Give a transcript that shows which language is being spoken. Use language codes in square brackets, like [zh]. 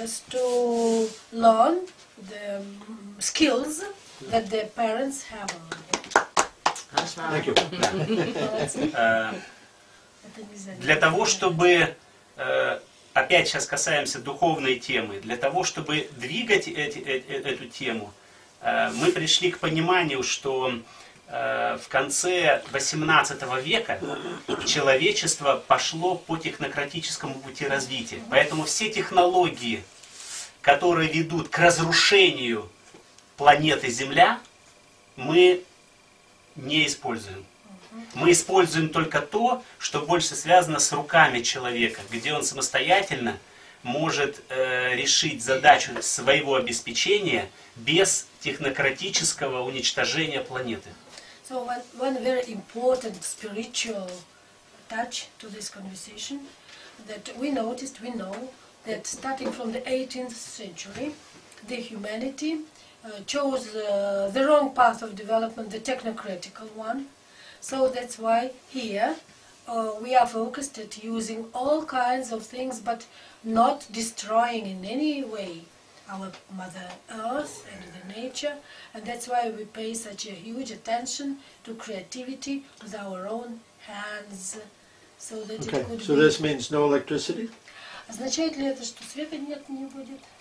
[en] Yes, to learn the skills that their parents have on. Thank you. [ru] Для того, чтобы, опять сейчас касаемся духовной темы, для того, чтобы двигать эту тему, мы пришли к пониманию, что в конце 18 века человечество пошло по технократическому пути развития. Поэтому все технологии, которые ведут к разрушению планеты Земля, мы не используем. Мы используем только то, что больше связано с руками человека, где он самостоятельно может решить задачу своего обеспечения без технократического уничтожения планеты. [en] So one very important spiritual touch to this conversation that we know that starting from the 18th century the humanity chose the wrong path of development, the technocratical one. So that's why here we are focused at using all kinds of things, but not destroying in any way our Mother Earth and the nature. And that's why we pay such a huge attention to creativity with our own hands, so that okay. It could so be. This means no electricity? [ru] Означает ли это, что света нет, не будет?